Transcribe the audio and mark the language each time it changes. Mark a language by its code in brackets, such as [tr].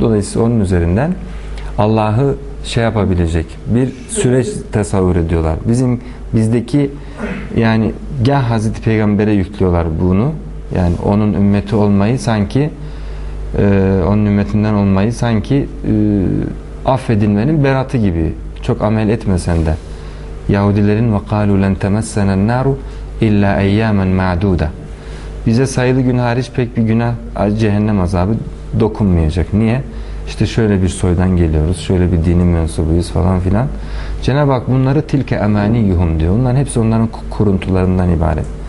[tr] Dolayısıyla onun üzerinden Allah'ı şey yapabilecek bir süreç tasavvur ediyorlar. Bizdeki yani gel Hazreti Peygamber'e yüklüyorlar bunu. Yani onun ümmeti olmayı sanki onun ümmetinden olmayı sanki affedilmenin beratı gibi. Çok amel etmesen de. Yahudilerin [ar] وَقَالُوا لَنْ تَمَسَّنَا النَّارُ اِلَّا اَيَّامًا مَعْدُودًا. [tr] Bize sayılı gün hariç pek bir günah, cehennem azabı dokunmayacak. Niye? İşte şöyle bir soydan geliyoruz, şöyle bir dinin mensubuyuz falan filan. Cenab-ı Hak bunları tilke emaniyuhum diyor. Bunların hepsi onların kuruntularından ibaret.